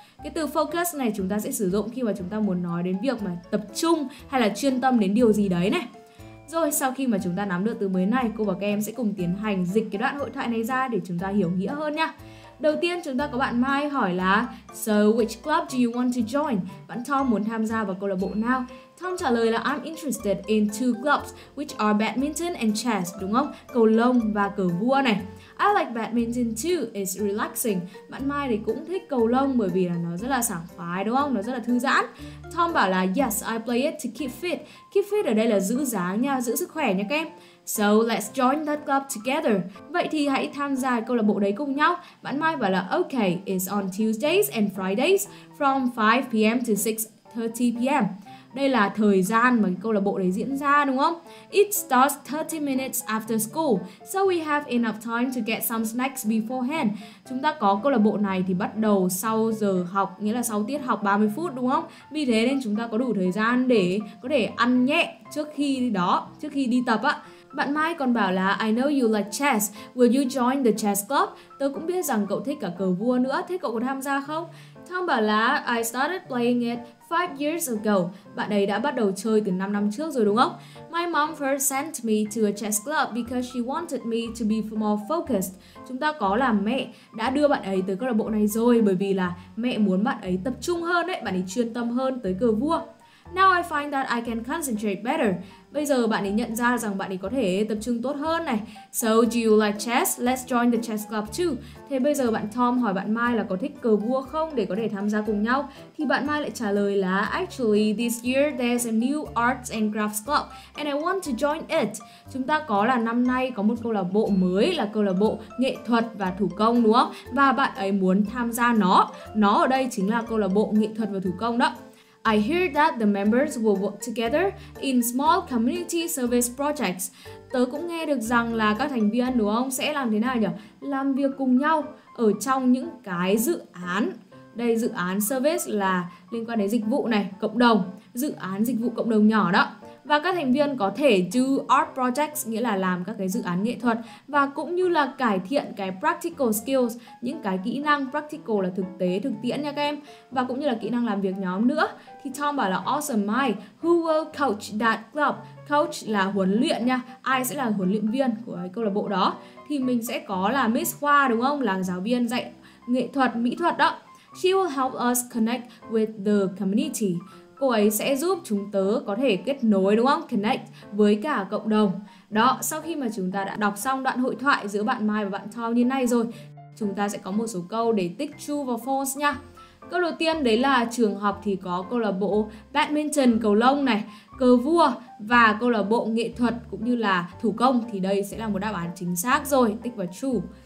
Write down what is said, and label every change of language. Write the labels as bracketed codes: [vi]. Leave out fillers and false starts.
[vi] Cái từ focus này chúng ta sẽ sử dụng khi mà chúng ta muốn nói đến việc mà tập trung hay là chuyên tâm đến điều gì đấy này. Rồi, sau khi mà chúng ta nắm được từ mới này, cô và các em sẽ cùng tiến hành dịch cái đoạn hội thoại này ra để chúng ta hiểu nghĩa hơn nha. Đầu tiên chúng ta có bạn Mai hỏi là [en] so which club do you want to join? [vi] Bạn Tom muốn tham gia vào câu lạc bộ nào? Tom trả lời là [en] I'm interested in two clubs which are badminton and chess, [vi] đúng không? Cầu lông và cờ vua này. [en] I like badminton too, it's relaxing. [vi] Bạn Mai thì cũng thích cầu lông bởi vì là nó rất là sảng khoái đúng không? Nó rất là thư giãn. Tom bảo là [en] yes, I play it to keep fit. [vi] Keep fit ở đây là giữ dáng nha, giữ sức khỏe nha các em. [en] So let's join that club together. [vi] Vậy thì hãy tham gia câu lạc bộ đấy cùng nhau. Bạn Mai bảo là [en] okay, it's on Tuesdays and Fridays from 5 p.m. to 6:30 p.m. [vi] Đây là thời gian mà câu lạc bộ đấy diễn ra đúng không? [en] It starts 30 minutes after school, so we have enough time to get some snacks beforehand. [vi] Chúng ta có câu lạc bộ này thì bắt đầu sau giờ học, nghĩa là sau tiết học 30 phút đúng không? Vì thế nên chúng ta có đủ thời gian để có thể ăn nhẹ trước khi đó, trước khi đi tập á. Bạn Mai còn bảo là [en] I know you like chess, will you join the chess club? [vi] Tớ cũng biết rằng cậu thích cả cờ vua nữa, thế cậu có tham gia không? Tom bảo là [en] I started playing it 5 years ago. [vi] Bạn ấy đã bắt đầu chơi từ 5 năm trước rồi đúng không? [en] My mom first sent me to a chess club because she wanted me to be more focused. [vi] Chúng ta có là mẹ đã đưa bạn ấy tới câu lạc bộ này rồi bởi vì là mẹ muốn bạn ấy tập trung hơn đấy, bạn ấy chuyên tâm hơn tới cờ vua. [en] Now I find that I can concentrate better. [vi] Bây giờ bạn ấy nhận ra rằng bạn ấy có thể tập trung tốt hơn này. [en] So do you like chess? Let's join the chess club too. [vi] Thế bây giờ bạn Tom hỏi bạn Mai là có thích cờ vua không để có thể tham gia cùng nhau. Thì bạn Mai lại trả lời là [en] actually this year there's a new arts and crafts club and I want to join it. [vi] Chúng ta có là năm nay có một câu lạc bộ mới là câu lạc bộ nghệ thuật và thủ công đúng không? Và bạn ấy muốn tham gia nó. Nó ở đây chính là câu lạc bộ nghệ thuật và thủ công đó. [en] I hear that the members will work together in small community service projects. [vi] Tớ cũng nghe được rằng là các thành viên đúng không sẽ làm thế nào nhỉ? Làm việc cùng nhau ở trong những cái dự án. Đây, dự án service là liên quan đến dịch vụ này, cộng đồng, dự án dịch vụ cộng đồng nhỏ đó. Và các thành viên có thể [en] do art projects, [vi] nghĩa là làm các cái dự án nghệ thuật, và cũng như là cải thiện cái [en] practical skills, [vi] những cái kỹ năng practical là thực tế, thực tiễn nha các em, và cũng như là kỹ năng làm việc nhóm nữa. Thì Tom bảo là [en] awesome Mike, who will coach that club? [vi] Coach là huấn luyện nha, ai sẽ là huấn luyện viên của cái câu lạc bộ đó? Thì mình sẽ có là Miss Hoa đúng không, là giáo viên dạy nghệ thuật, mỹ thuật đó. [en] She will help us connect with the community. [vi] Cô ấy sẽ giúp chúng tớ có thể kết nối đúng không? Connect với cả cộng đồng. Đó, sau khi mà chúng ta đã đọc xong đoạn hội thoại giữa bạn Mai và bạn Tom như này rồi, chúng ta sẽ có một số câu để tick true và false nha. Câu đầu tiên đấy là trường học thì có câu lạc bộ badminton, cầu lông này, cờ vua và câu lạc bộ nghệ thuật cũng như là thủ công, thì đây sẽ là một đáp án chính xác rồi, tick và true.